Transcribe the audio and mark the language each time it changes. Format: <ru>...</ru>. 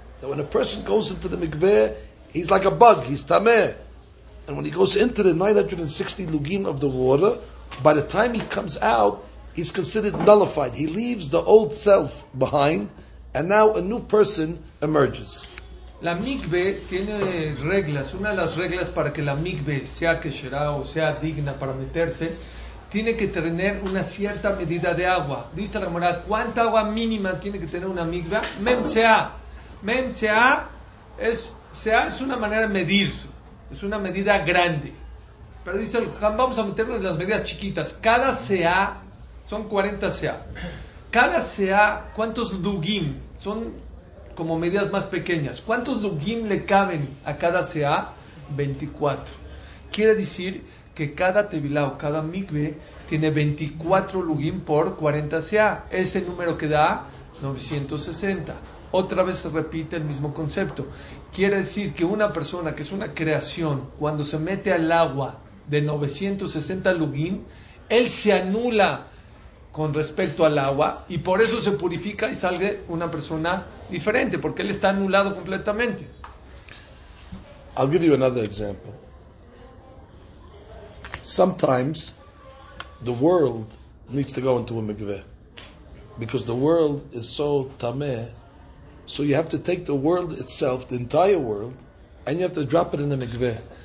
<en>That when a person goes into the mikveh, he's like a bug, he's tameh. And when he goes into the 960 lugin of the water, by the time he comes out, he's considered nullified. He leaves the old self behind, and now a new person emerges.</en> <es>La mikveh tiene reglas. Una de las reglas para que la mikveh sea kesherá o sea digna para meterse, tiene que tener una cierta medida de agua. Dice la moral, ¿cuánta agua mínima tiene que tener una mikveh? Mem sea es una manera de medir. Es una medida grande. Pero dice el Jam, vamos a meternos en las medidas chiquitas. Cada sea, son 40 sea. Cada sea, ¿cuántos lugim? Son como medidas más pequeñas. ¿Cuántos lugim le caben a cada sea? 24. Quiere decir que cada tevilá o cada mikveh tiene 24 lugim por 40 sea. Ese número que da 960. Otra vez se repite el mismo concepto. Quiere decir que una persona que es una creación, cuando se mete al agua de 960 lugim, él se anula con respecto al agua y por eso se purifica y sale una persona diferente, porque él está anulado completamente.</es> <en>I'll give you another example. Sometimes the world needs to go into a mikveh because the world is so tameh. So you have to take the world itself, the entire world, and you have to drop it in the mikveh.</en>